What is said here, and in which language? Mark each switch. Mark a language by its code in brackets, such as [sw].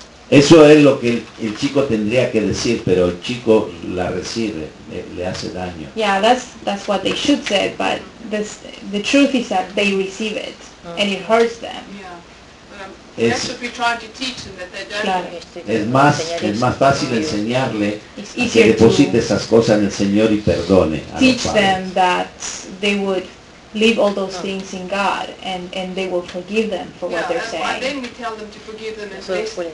[es] Eso es lo que el chico tendría que decir, pero el chico la recibe, le hace daño. [en] Yeah, that's what they should say, but the truth is that they receive it, and it hurts them. Yeah. That's what we're trying to teach them, that they don't. [es] Es más fácil enseñarle que deposite esas cosas en el Señor y perdone. [en] Teach them that they would leave all those things in God and they will forgive them for what they're saying. Then we tell them to forgive them as best.